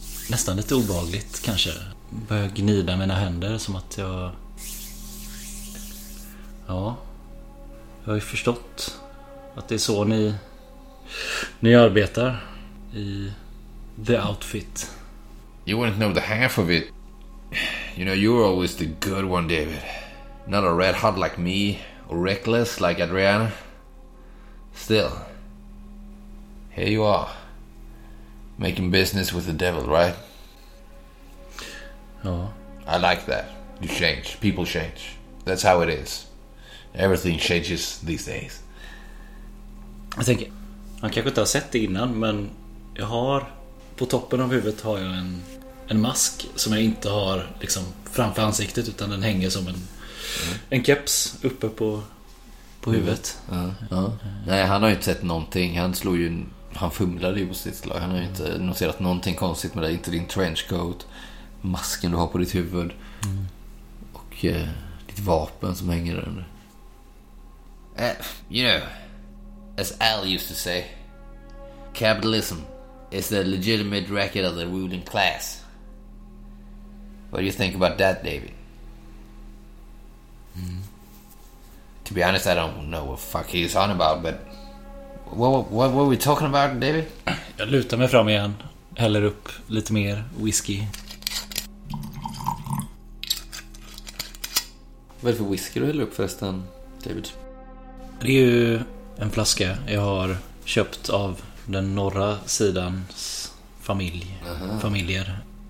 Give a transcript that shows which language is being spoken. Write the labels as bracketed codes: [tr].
[sv] Nästan lite obehagligt kanske. Börjar gnida mina händer som att jag... ja, jag har ju förstått att det är så ni arbetar i The Outfit. [en] You wouldn't know the half of it. You know, you're always the good one, David. Not a red hot like me, or reckless like Adriana. Still, here you are, making business with the devil, right? [sv] Ja. [en] I like that. You change. People change. That's how it is. Everything changes these days. [sv] Jag tänker, han kanske inte har sett det innan, men jag har, på toppen av huvudet har jag en mask som jag inte har liksom framför ansiktet, utan den hänger som en keps uppe på huvudet. Nej, han har ju inte sett någonting. Han fumlade ju på sitt slag. Han har ju inte noterat någonting konstigt med det. Inte din trenchcoat, masken du har på ditt huvud och ditt vapen som hänger där under. [en] You know, as Al used to say, capitalism is the legitimate racket of the ruling class. What do you think about that, David? To be honest, I don't know what fuck he's on about, but what were we talking about, David? [sv] Jag lutar mig fram igen, häller upp lite mer whisky. Vad är det för whisky du häller upp förresten, David? Det är ju en flaska jag har köpt av den norra sidans familj. Aha. Familjer.